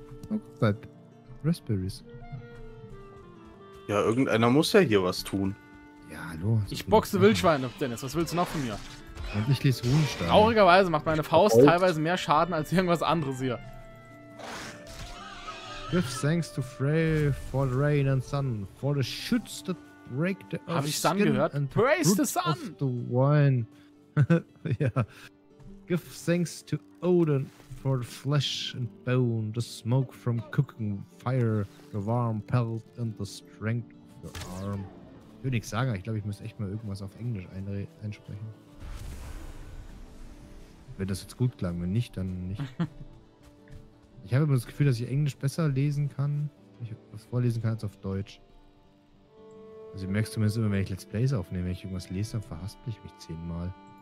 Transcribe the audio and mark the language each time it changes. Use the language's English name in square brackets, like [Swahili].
[German] Oh Gott, Raspberries. Ja, irgendeiner muss ja hier was tun. Ja, hallo. Ich boxe Wildschweine, Dennis. Was willst du noch von mir? Und ich lese Runenstein. Traurigerweise macht meine Faust teilweise mehr Schaden als irgendwas anderes hier. [English] Give thanks to Frey for the rain and sun, for the shoots that break the earth. [German] Hab ich Sun gehört? [English] Praise the Sun! Of the wine. Ja. Give thanks to Odin for the flesh and bone, the smoke from cooking fire, the warm pelt and the strength of the arm. [German] Ich will nichts sagen, ich glaube, ich muss echt mal irgendwas auf Englisch einsprechen. Wenn das jetzt gut klang, wenn nicht, dann nicht. Ich habe immer das Gefühl, dass ich Englisch besser lesen kann, was vorlesen kann, als auf Deutsch. Also merkst du mir immer, wenn ich Let's Plays aufnehme, wenn ich irgendwas lese, dann verhaspel ich mich 10-mal.